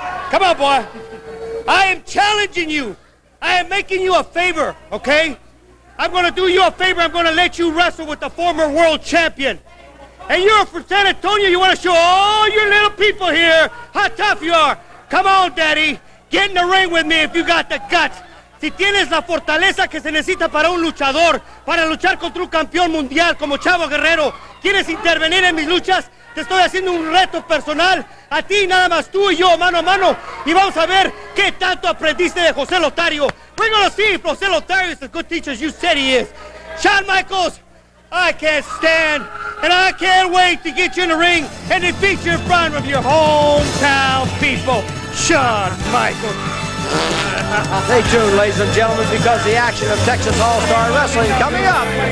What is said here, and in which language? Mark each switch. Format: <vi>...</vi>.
<en>Come on, boy. I am challenging you. I am making you a favor, okay? I'm going to do you a favor. I'm going to let you wrestle with the former world champion. And you're from San Antonio. You want to show all your little people here how tough you are. Come on, Daddy. Get in the ring with me if you got the guts.</en> <es>Si tienes la fortaleza que se necesita para un luchador, para luchar contra un campeón mundial como Chavo Guerrero, quieres intervenir en mis luchas, te estoy haciendo un reto personal a ti, nada más tú y yo, mano a mano, y vamos a ver qué tanto aprendiste de José Lotario.</es> <en>We're going to see if José Lotario is as good teacher as you said he is. Shawn Michaels, I can't stand, and I can't wait to get you in the ring and defeat you in front of your hometown people. Shawn Michaels. Stay tuned, ladies and gentlemen, because the action of Texas All-Star Wrestling coming up.</en>